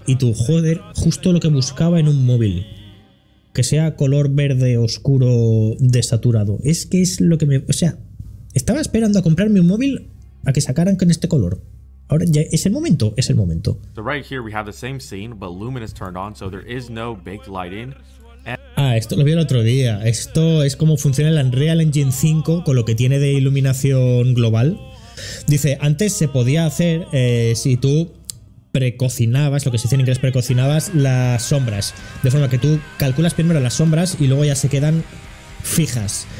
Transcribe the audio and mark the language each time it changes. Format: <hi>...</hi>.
<es>Y tú, joder, justo lo que buscaba en un móvil. Que sea color verde, oscuro, desaturado. Es que es lo que me... O sea, estaba esperando a comprarme un móvil a que sacaran con este color. Ahora ya es el momento, es el momento.</es> <en>So right here we have the same scene, but Lumen is turned on, so there is no baked lighting.</en> <es>Ah, esto lo vi el otro día. Esto es cómo funciona el Unreal Engine 5 con lo que tiene de iluminación global. Dice, antes se podía hacer si tú precocinabas, lo que se dice en inglés, precocinabas las sombras. De forma que tú calculas primero las sombras y luego ya se quedan fijas.</es>